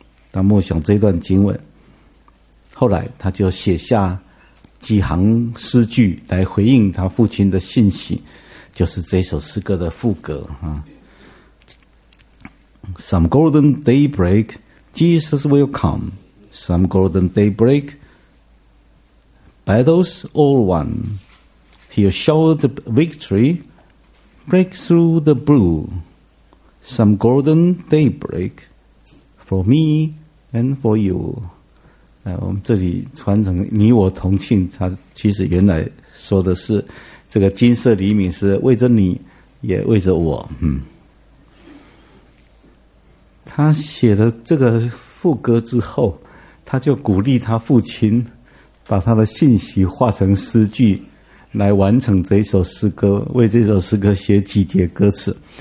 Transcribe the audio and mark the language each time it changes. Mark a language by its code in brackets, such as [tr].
[zh] 他默想这段经文，后来他就写下几行诗句来回应他父亲的信息，就是这首诗歌的副歌啊。 [en] Some golden daybreak, Jesus will come. Some golden daybreak, battles all won. He'll shower the victory, break through the blue. Some golden daybreak, for me and for you. [zh] 我们这里传承你我同庆，他其实原来说的是这个金色黎明是为着你也为着我。他写了这个副歌之后，他就鼓励他父亲把他的信息化成诗句来完成这首诗歌，为这首诗歌写几节歌词。